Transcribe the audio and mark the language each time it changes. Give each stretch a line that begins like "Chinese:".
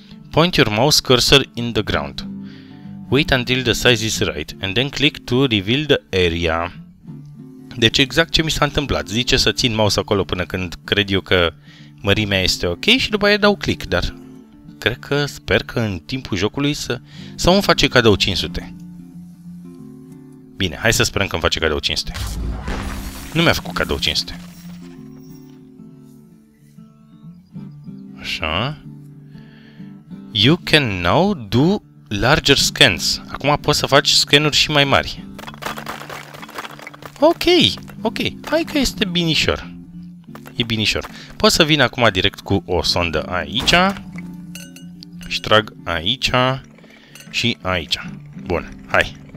English: Point your mouse cursor in the ground. Wait until the size is right and then click to reveal the area.
Romanian: Deci exact ce mi s-a întâmplat. Zice să țin mouse acolo până când cred eu că mărimea este ok și după aia dau click, dar cred că, sper că în timpul jocului să... Sau îmi face cadou 500. Bine, hai să sperăm că îmi face cadou 500. Nu mi-a făcut cadou 500. Așa.
English: You can now do larger scans.
Romanian: Acum poți să faci scanuri și mai mari. Ok. Hai că este binișor. E binișor. Pot să vin acum direct cu o sondă aici. Și trag aici. Și aici. Bun. Hai.